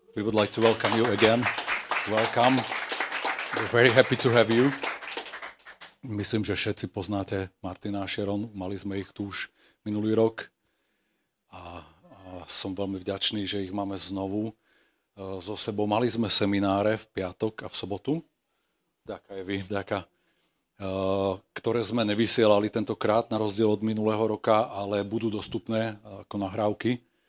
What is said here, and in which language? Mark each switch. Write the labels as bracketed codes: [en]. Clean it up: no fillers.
[en] We would like to welcome you again. Welcome. We're very happy to have you. [sk] Myslím, že všetci poznáte Martina a Sharon. Mali sme ich tu už minulý rok. A som veľmi vďačný, že ich máme znovu so sebou. Mali sme semináre v piatok a v sobotu. Ďakaj vy, ďaká. Ktoré sme nevysielali tentokrát na rozdiel od minulého roka, ale budú dostupné ako nahrávky.